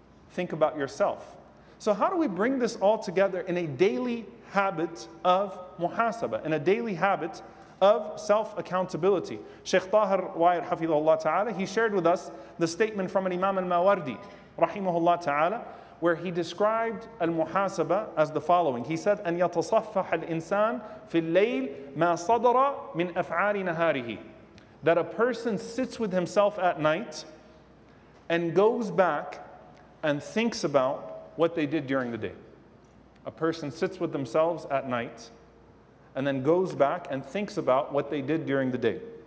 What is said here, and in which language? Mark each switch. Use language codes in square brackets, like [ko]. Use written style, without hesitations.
[en] Think about yourself. So how do we bring this all together in a daily habit of muhasaba, in a daily habit of self-accountability? Shaykh Tahir Wa'id Hafidhullah Ta'ala, he shared with us the statement from an Imam al-Mawardi, Rahimahullah Ta'ala, where he described al-muhasaba as the following. He said, [ar] أَنْ يَتَصَفَّحَ الْإِنسَانِ فِي اللَّيْلِ مَا صَدَرَ مِنْ أَفْعَالِ نَهَارِهِ. [en] That a person sits with himself at night and goes back and thinks about what they did during the day. A person sits with themselves at night and then goes back and thinks about what they did during the day.